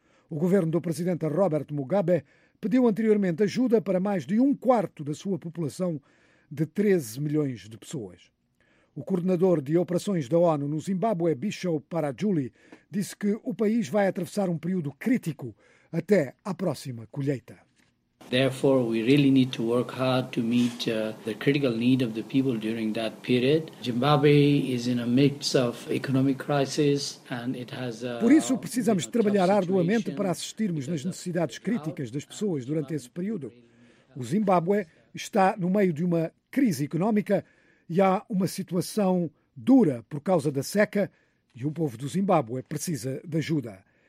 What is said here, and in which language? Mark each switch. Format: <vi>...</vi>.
<pt>O governo do presidente Robert Mugabe pediu anteriormente ajuda para mais de um quarto da sua população de 13 milhões de pessoas. O coordenador de operações da ONU no Zimbábue, Bishop Parajuli, disse que o país vai atravessar um período crítico até à próxima colheita.</pt> <en>Therefore, we really need to work hard to meet the critical need of the people during that period. Zimbabwe is in a midst of economic crisis and it has a</en> <pt>Por isso precisamos trabalhar arduamente para assistirmos nas necessidades críticas das pessoas durante esse período. O Zimbábue está no meio de uma crise económica e há uma situação dura por causa da seca e o povo do Zimbábue precisa de ajuda.</pt>